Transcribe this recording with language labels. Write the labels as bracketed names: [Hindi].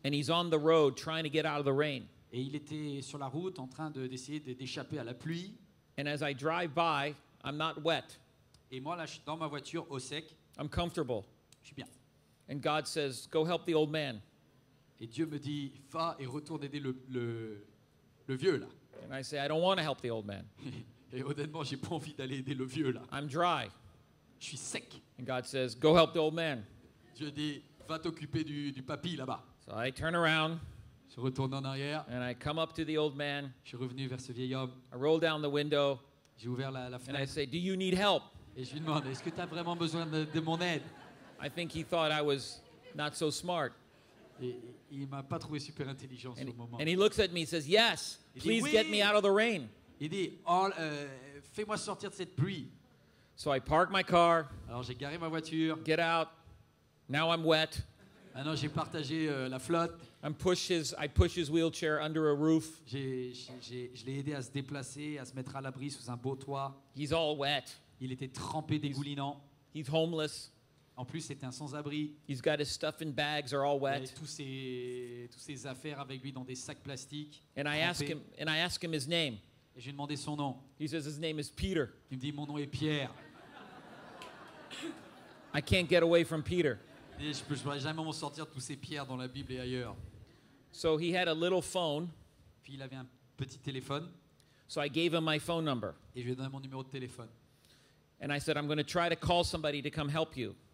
[English] And he's on the road trying to get out of the rain. [French] Et il était sur la route en train d'essayer d'échapper à la pluie. [English] And as I drive by, I'm not wet. [French] Et moi là je suis dans ma voiture au sec. [English] I'm comfortable. [French] Je suis bien. [English] And God says, go help the old man. [French] Et Dieu me dit, va et retourne aider le vieux là. [English] And I say, I don't want to help the old man. [French] Et honnêtement, j'ai pas envie d'aller aider le vieux là. [English] I'm dry. [French] Je suis sec. [English] And God says, go help the old man. [French] Dieu dit, va t'occuper du papy là-bas. [English] So I turn around. [French] Je retourne en arrière. [English] And I come up to the old man. [French] Je suis revenu vers ce vieil homme. [English] I roll down the window. [French] J'ai ouvert la fenêtre. [English] And I say, do you need help? [French] Et je lui demande, est-ce que tu as vraiment besoin de mon aide? [English] I think he thought I was not so smart. [French] Il m'a pas trouvé super intelligent [English] and, [French] sur le moment. [English] And he looks at me and says, yes, please [French] oui. [English] Get me out of the rain. [French] Il dit, fais-moi sortir de cette pluie. [English] So I park my car. [French] Alors j'ai garé ma voiture. [English] Get out. Now I'm wet. [French] Maintenant j'ai partagé la flotte. [English] I push his wheelchair under a roof. [French] Je l'ai aidé à se déplacer, à se mettre à l'abri sous un beau toit. [English] He's all wet. [French] Il était trempé, dégoulinant. [English] He's homeless. [French] En plus, c'était un sans-abri. [English] He's got his stuff in bags, are all wet. [French] Il avait tous ses affaires avec lui dans des sacs plastiques. [English] And I ask him his name. [French] Et j'ai demandé son nom. [English] He says his name is Peter. [French] Il me dit mon nom est Pierre. [English] I can't get away from Peter. [French] Et je ne pourrais jamais m'en sortir de tous ces pierres dans la Bible et ailleurs. [English] So he had a little phone. [French] Puis il avait un petit téléphone. [English] So I gave him my phone number. [French] Et je lui ai donné mon numéro de téléphone. [English] And I said I'm going to try to call somebody to come help you.